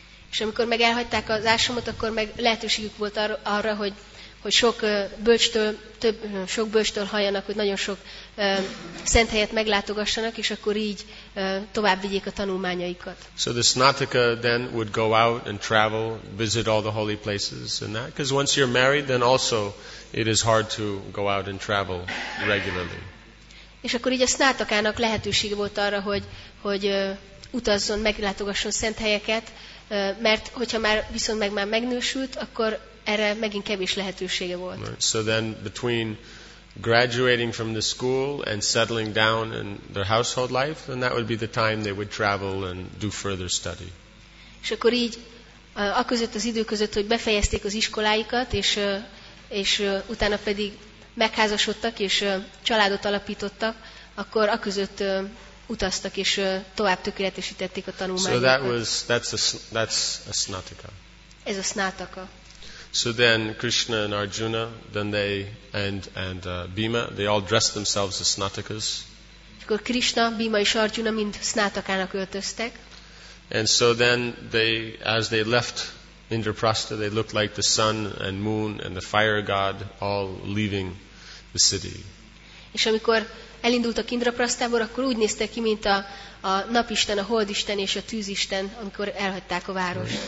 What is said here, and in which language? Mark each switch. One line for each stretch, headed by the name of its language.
Hungarian: És amikor meg elhagyták az ásramot, akkor meg lehetőségük volt arra, hogy sok bölcstől, több sok bölcstől halljanak, hogy nagyon sok szent helyet meglátogassanak, és akkor így tovább vigyék a tanulmányaikat.
English: So the snataka then would go out and travel, visit all the holy places and that, because once you're married, then also it is hard to go out and travel regularly.
Hungarian: És akkor így a snatakának lehetősége volt arra, hogy utazzon, meglátogasson szent helyeket, mert hogyha már viszont meg már megnősült, akkor erre megint kevés lehetősége volt.
English: Right. So then between graduating from the school and settling down in their household life, then that would be the time they would travel and do further study.
Hungarian: És akkor így, aközött az idő között, hogy befejezték az iskoláikat, és utána pedig megházasodtak, és családot alapítottak, akkor aközött utaztak, és tovább tökéletesítették a tanulmányokat.
English: So that's a snataka.
Hungarian: Ez a snataka.
English: So then Krishna and Arjuna, then they and Bhima, they all dressed themselves as snatakas.
Hungarian: Akkor Krishna, Bhima és Arjuna mind snatakának öltöztek.
English: And so then they, as they left Indraprastha, they looked like the sun and moon and the fire god all leaving the city.
Hungarian: És amikor elindultak Indraprasthából, akkor úgy néztek ki, mint a napisten, a holdisten és a tűzisten, amikor elhagyták a várost.